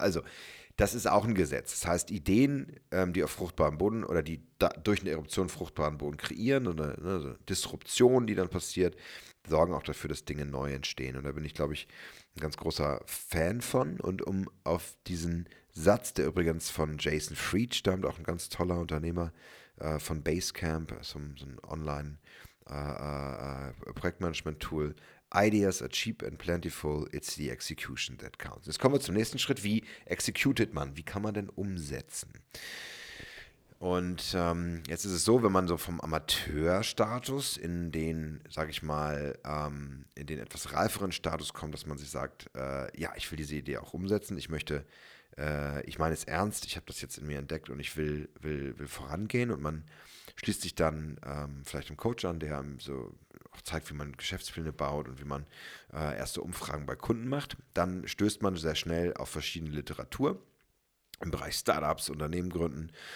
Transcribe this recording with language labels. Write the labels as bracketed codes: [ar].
[de] Also, das ist auch ein Gesetz. Das heißt, Ideen, die auf fruchtbarem Boden oder die durch eine Eruption fruchtbaren Boden kreieren, oder ne, so Disruption, die dann passiert, sorgen auch dafür, dass Dinge neu entstehen. Und da bin ich, glaube ich, ein ganz großer Fan von. Und um auf diesen Satz, der übrigens von Jason Fried stammt, auch ein ganz toller Unternehmer von Basecamp, also so ein Online Projektmanagement-Tool. [en] Ideas are cheap and plentiful, it's the execution that counts. [de] Jetzt kommen wir zum nächsten Schritt. Wie executed man? Wie kann man denn umsetzen? Und jetzt ist es so, wenn man so vom Amateurstatus in den, sag ich mal, in den etwas reiferen Status kommt, dass man sich sagt, ja, ich will diese Idee auch umsetzen, ich möchte, ich meine es ernst, ich habe das jetzt in mir entdeckt und ich will vorangehen, und man schließt sich dann vielleicht einem Coach an, der so auch zeigt, wie man Geschäftspläne baut und wie man erste Umfragen bei Kunden macht, dann stößt man sehr schnell auf verschiedene Literatur im Bereich Startups, Unternehmen gründen.